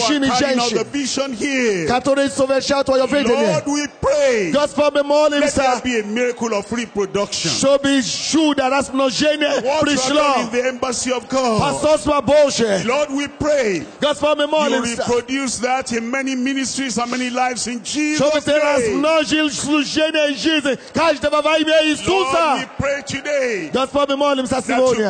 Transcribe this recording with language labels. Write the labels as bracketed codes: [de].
[ru] мужчин и женщин, которые совершают твое видение. [en] Lord, we pray. [ru] Господь, мы молимся, [en] let there be a miracle of reproduction. [ru] Чтобы чудо размножения пришло. Посольство Божие. [en] Lord, we pray. [ru] Господь, мы молимся. [en] You reproduce that in many ministries and many lives in Jesus' name. [ru] Чтобы ты размножил служение и жизнь каждого во имя Иисуса. [en] Lord, we pray today. [ru] Господь, мы молимся сегодня.